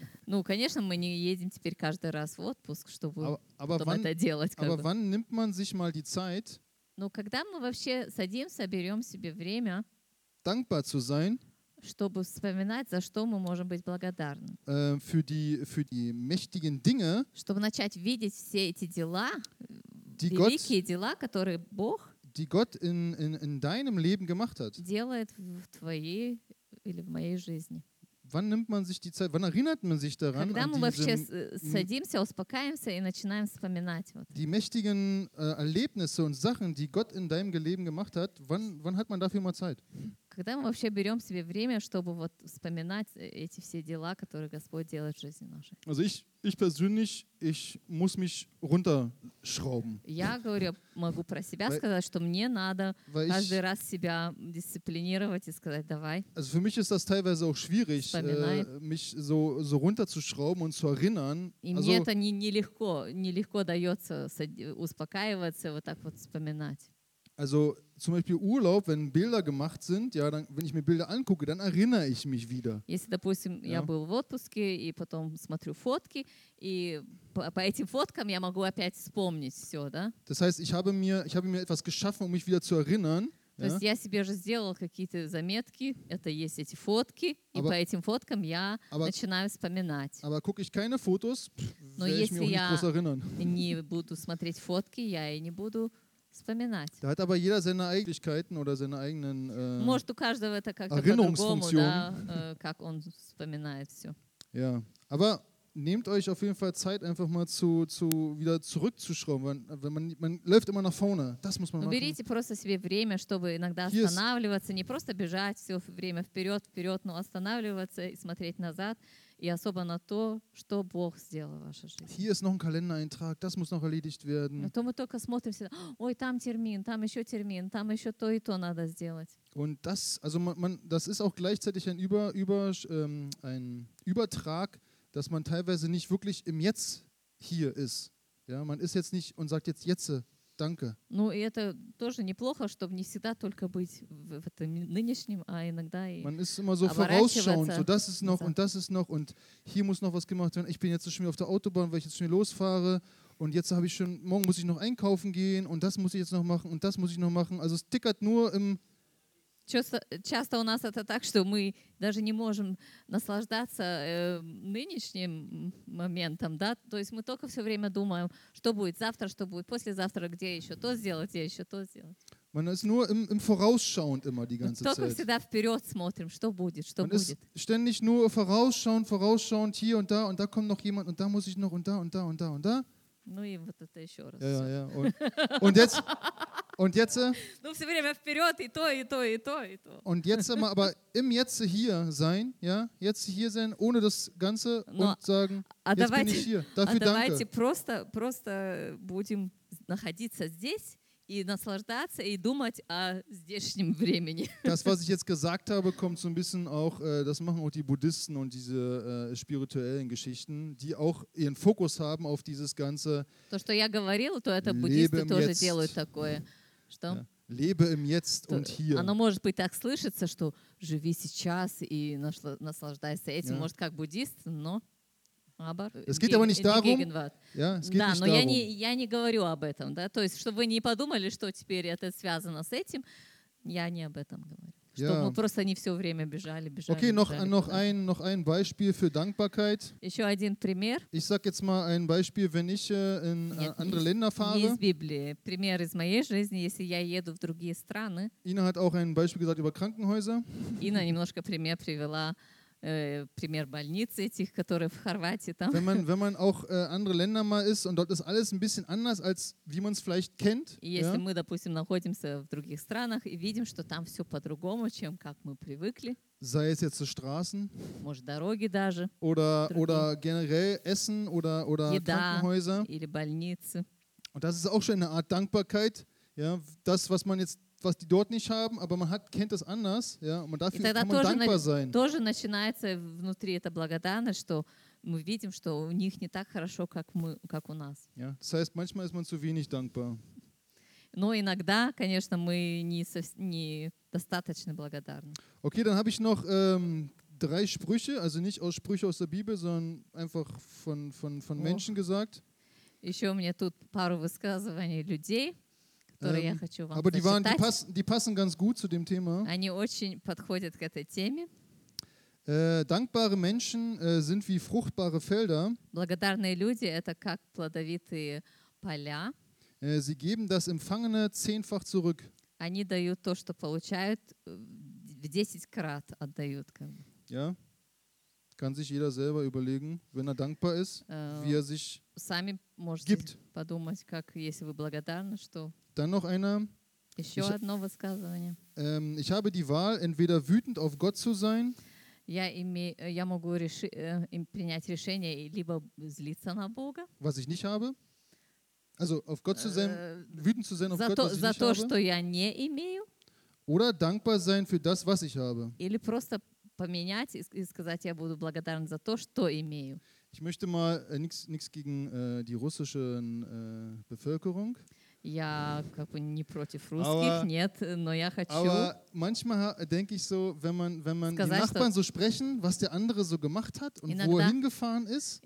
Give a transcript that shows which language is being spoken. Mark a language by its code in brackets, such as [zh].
[ru] Ну, конечно, мы не едем теперь каждый раз в отпуск, чтобы это делать. [de] Aber wann nimmt man sich mal die Zeit? [ru] Ну, когда мы вообще садимся, берем себе время. [de] Dankbar zu sein. [ru] Чтобы вспоминать, за что мы можем быть благодарны. [de] Für die mächtigen Dinge. [ru] Чтобы начать видеть все эти дела, великие дела, которые Бог. [de] Die Gott in deinem Leben gemacht hat. [ru] Делает в твоей или в моей жизни. [de] Wann nimmt man sich die Zeit? Wann erinnert man sich daran? [ru] Когда мы вообще садимся, успокаиваемся и начинаем вспоминать. Вот. [de] Die mächtigen Erlebnisse und Sachen, die Gott in deinem Leben gemacht hat, wann hat man dafür mal Zeit? [ru] Когда мы вообще берем себе время, чтобы вот вспоминать эти все дела, которые Господь делает в жизни нашей? [de] Also ich persönlich, ich muss mich runterschrauben. [ru] Я говорю, могу про себя сказать, что мне надо каждый раз себя дисциплинировать и сказать, давай. [de] Also für mich ist das teilweise auch schwierig, mich so runterzuschrauben und zu erinnern. [ru] И мне это нелегко дается успокаиваться, вот так вот вспоминать. [de] Also zum Beispiel Urlaub, wenn Bilder gemacht sind, ja, dann, wenn ich mir Bilder angucke, dann erinnere ich mich wieder. [ru] Если, допустим, [de] ja. [ru] Я был в отпуске и потом смотрю фотки и по этим фоткам я могу опять вспомнить все, да? [de] Das heißt, ich habe mir etwas geschaffen, um mich wieder zu erinnern. [ru] То [de] ja. [ru] есть я себе же сделал какие-то заметки, это есть эти фотки, [de] aber, [ru] и по этим фоткам я [de] aber, [ru] начинаю вспоминать. [de] Aber gucke ich keine Fotos, werde ich mich auch nicht groß erinnern. [ru] Но если я не буду смотреть фотки, я и не буду вспоминать. [de] Da hat aber jeder seine Eigenschaften oder seine eigenen [ru] Может, у каждого это как-то по-другому, да, как он вспоминает все. [de] Ja, aber nehmt euch auf jeden Fall Zeit, einfach mal zu wieder zurückzuschrauben. Man läuft immer nach vorne. Das muss man machen. [ru] Берите просто себе время, чтобы иногда останавливаться, не просто бежать все время вперед, но останавливаться и смотреть назад. И особо на то, что Бог сделал в вашей жизни. [de] Hier ist noch ein Kalendereintrag, das muss noch erledigt werden. [ru] А то мы только смотрим всегда, ой, там термин, там еще то и то надо сделать. [de] Und das, also man, das ist auch gleichzeitig ein Übertrag, dass man teilweise nicht wirklich im Jetzt hier ist. Ja, man ist jetzt nicht und sagt jetzt danke. [ru] Ну и это тоже неплохо, чтобы не всегда только быть в этом нынешнем, а иногда и. [de] Man ist immer so vorausschauend, so das ist noch und das ist noch und hier muss noch was gemacht werden. Ich bin jetzt schon wieder auf der Autobahn, weil ich jetzt schon losfahre und jetzt habe ich schon morgen muss ich noch einkaufen gehen und das muss ich jetzt noch machen und das muss ich noch machen. Also es tickert nur im. [ru] Часто у нас это так, что мы даже не можем наслаждаться нынешним моментом, да? То есть мы только все время думаем, что будет завтра, что будет послезавтра, где еще то сделать. [de] Man ist nur im vorausschauend immer die ganze [ru] только [de] Zeit. [ru] Только всегда вперед смотрим, что будет. [de] Man ist ständig nur vorausschauend hier und da kommt noch jemand und da muss ich noch und da. [ru] Ну и вот это еще раз. [de] Ja. Und jetzt? [ru] Ну все время вперед, и то. [de] Und jetzt immer, aber im Jetzt hier sein, ja, jetzt hier sein, ohne das Ganze und sagen, jetzt bin ich hier, dafür danke. [ru] А давайте просто будем находиться здесь и наслаждаться и думать о здешнем времени. [de] Das, was ich jetzt gesagt habe, kommt so ein bisschen auch, das machen auch die Buddhisten und diese spirituellen Geschichten, die auch ihren Fokus haben auf dieses ganze. [ru] То, что я говорил, то это буддисты тоже делают такое. Что? [de] Lebe im Jetzt und hier. [ru] Оно может быть так слышится, что живи сейчас и наслаждайся этим. Может, как буддист, но. [de] Es geht aber nicht darum. Ja, es geht [ru] да, [de] nicht [ru] но [de] darum. [ru] Я не говорю об этом, да? То есть, чтобы вы не подумали, что теперь это связано с этим, я не об этом говорю. Чтобы [de] ja. [ru] Мы просто не все время бежали. [de] Okay, noch ein Beispiel für Dankbarkeit. [ru] Еще один пример. [de] Ich sag jetzt mal ein Beispiel, wenn ich in andere Länder fahre. [ru] Не из Библии. Пример из моей жизни, если я еду в другие страны. [de] Ina hat auch ein Beispiel gesagt über Krankenhäuser. [ru] Ina немножко пример привела. Пример больницы этих, которые в Хорватии там. [de] Wenn man auch andere Länder mal ist und dort ist alles ein bisschen anders als wie man es vielleicht kennt. [ru] Если ja? Мы, допустим, находимся в других странах и видим, что там все по-другому, чем как мы привыкли. [de] Sei es jetzt die Straßen, [ru] может, дороги даже, [de] oder generell Essen oder [ru] еда, [de] Krankenhäuser. [ru] Или больницы. [de] Und das ist auch schon eine Art Dankbarkeit. Ja, das, was man jetzt, was die dort nicht haben, aber man hat, kennt das anders. Ja, und man dafür kann man dankbar sein. [ru] Тоже начинается внутри эта благодарность, что мы видим, что у них не так хорошо, как у нас. [de] Ja, das heißt, manchmal ist man zu wenig dankbar. [ru] Но иногда, конечно, мы не достаточно благодарны. [de] Okay, dann habe ich noch drei Sprüche, also nicht aus Sprüchen aus der Bibel, sondern einfach von Menschen gesagt. [ru] Еще у меня тут пару высказываний людей, которые я хочу вам [de] aber [ru] зачитать. [de] Aber die passen ganz gut zu dem Thema. [ru] Они очень подходят к этой теме. [de] Dankbare Menschen sind wie fruchtbare Felder. [ru] Благодарные люди – это как плодовитые поля. [de] Sie geben das Empfangene zehnfach zurück. [ru] Они дают то, что получают, в 10 крат отдают. [de] Ja, kann sich jeder selber überlegen, wenn dankbar ist, wie sich gibt. [ru] Сами можете подумать, как, если вы благодарны, что... [de] Dann noch einer. [ru] Еще одно высказывание. [de] Ich habe die Wahl, entweder wütend auf Gott zu sein, [ru] я могу принять решение, либо злиться на Бога. [de] Was ich nicht habe. Also auf Gott zu sein, wütend zu sein auf Gott, was ich nicht habe. Oder dankbar sein für das, was ich habe. [ru] Или просто поменять и сказать, я буду благодарен за то, что имею. [de] Ich möchte mal nichts gegen die russische Bevölkerung. [ru] Я как бы не против русских, нет, но я хочу. [de] Aber manchmal denke ich so, wenn man die Nachbarn so sprechen, was der andere so gemacht hat und wo er hingefahren ist.